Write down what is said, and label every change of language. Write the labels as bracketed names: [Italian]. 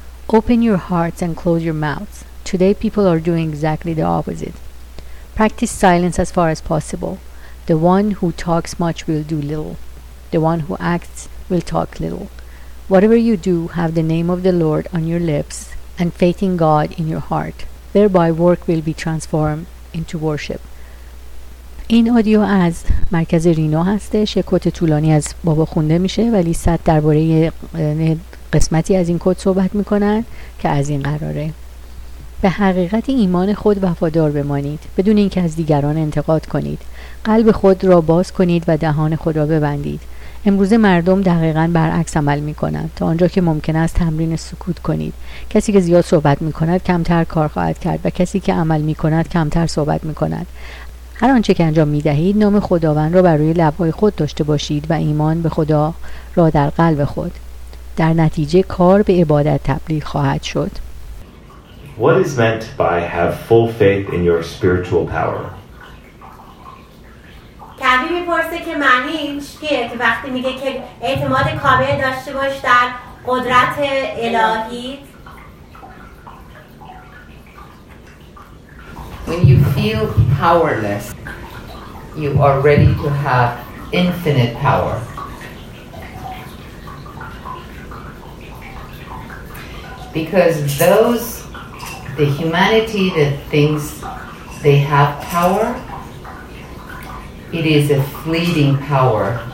[English] Open your hearts and close your mouths. Today people are doing exactly the opposite. Practice silence as far as possible. The one who talks much will do little. The one who acts will talk little. Whatever you do, have the name of the Lord on your lips and faith in God in your heart. Thereby work will be transformed into worship. [Persian] این آدیو از مرکز رینو هستش. یه کوت طولانی از بابا خونده میشه ولی صد درباره قسمتی از این کوت صحبت میکنن که از این قراره. به حقیقت ایمان خود وفادار بمانید بدون اینکه از دیگران انتقاد کنید. قلب خود را باز کنید و دهان خود را ببندید. امروز مردم دقیقاً برعکس عمل می‌کنند. تا آنجا که ممکن است تمرین سکوت کنید. کسی که زیاد صحبت می‌کند کمتر کار خواهد کرد و کسی که عمل می‌کند کمتر صحبت می‌کند. هر آنچه که انجام می‌دهید نام خداوند را بر روی لب‌های خود داشته باشید و ایمان به خدا را در قلب خود. در نتیجه کار به عبادت تبدیل خواهد شد. [English] What is meant by have full faith in your spiritual power? [Persian] کبی میپرسه که معنی این چیه که وقتی میگه که اعتماد کامل داشته باش در قدرت الهیت. [English] When you feel powerless, you are ready to have infinite power. Because those, the humanity that thinks they have power, it is a fleeting power.